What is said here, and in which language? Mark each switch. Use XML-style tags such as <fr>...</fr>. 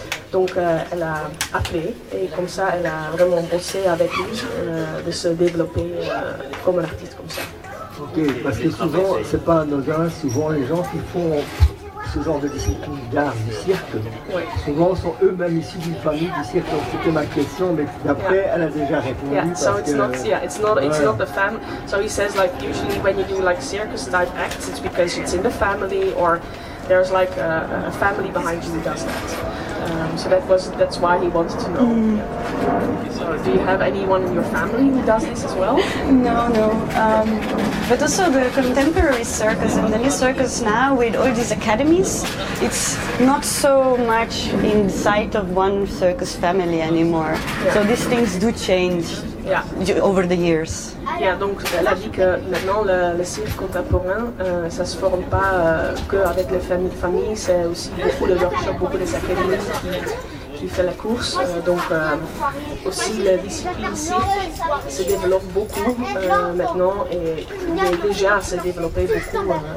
<fr>Donc elle a appelé, et comme ça, elle a vraiment bossé avec lui de se développer comme un artiste comme ça. Ok, parce que souvent, c'est pas anodin, souvent les gens qui font ce genre de discipline d'art du cirque, souvent sont eux-mêmes issus d'une famille du cirque. Donc c'était ma question, mais d'après, elle a déjà répondu.</fr> <en>Yeah, so it's not, it's not the fam. So he says, like, usually when you do like circus type acts, it's because it's in the family, or there's like a family behind you who does that. That's why he wanted to know. Do you have anyone in your family who does this as well? No. But also the contemporary circus and the new circus now with all these academies, it's not so much in sight of one circus family anymore. Yeah. So these things do change over the years.</en> <fr>Yeah, donc elle a dit que maintenant le cirque contemporain, ça se forme pas qu'avec les familles, c'est aussi beaucoup de workshops, beaucoup des académies qui font la course. Aussi la discipline cirque se développe beaucoup maintenant et déjà s'est développée beaucoup.</fr>